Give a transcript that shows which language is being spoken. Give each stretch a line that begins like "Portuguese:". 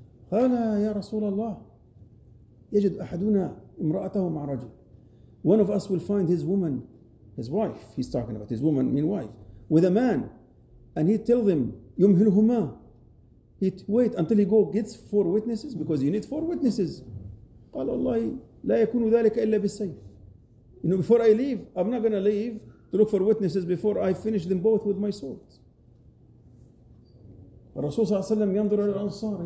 Arabic: Qala ya Rasulullah, yajid ahaduna imra'atahu ma'a rajul.
English: One of us will find his woman, his wife, he's talking about his woman, mean wife, with a man, and he tell them, yumhilhuma. He'd wait until he gets four witnesses, because you need four witnesses.
Arabic: قال الله لا يكون ذلك إلا بالسيف.
English: You know, before I leave, I'm not going to leave to look for witnesses before I finish them both with my sword.
Arabic: الرسول صلى الله عليه وسلم ينظر إلى الأنصار.